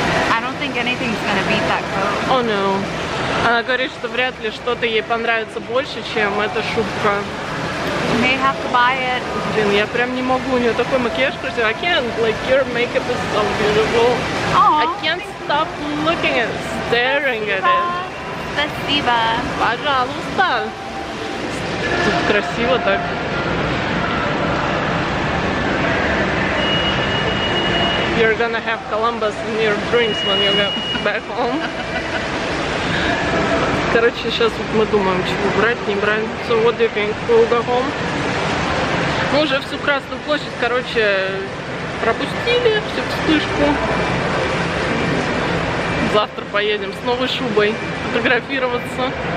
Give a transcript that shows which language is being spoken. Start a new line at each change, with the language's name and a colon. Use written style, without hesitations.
English: I don't think anything's gonna beat that coat. Oh no.
Russian: Она говорит, что вряд ли что-то ей понравится больше, чем эта шубка.
English: You may have to buy it.
Russian: Блин, я прям не могу, у нее такой макияж красивый.
English: I can't, like, your makeup is so beautiful. Aww, I can't stop looking at, staring at it.
Russian: Спасибо. Пожалуйста. Тут красиво так.
English: You're gonna have Columbus in your dreams when you go back home.
Russian: Короче, сейчас вот мы думаем, чего брать, не брать.
English: So what do you think? We'll go home?
Russian: Мы уже всю Красную площадь, короче, пропустили, всю вспышку. Завтра поедем с новой шубой фотографироваться.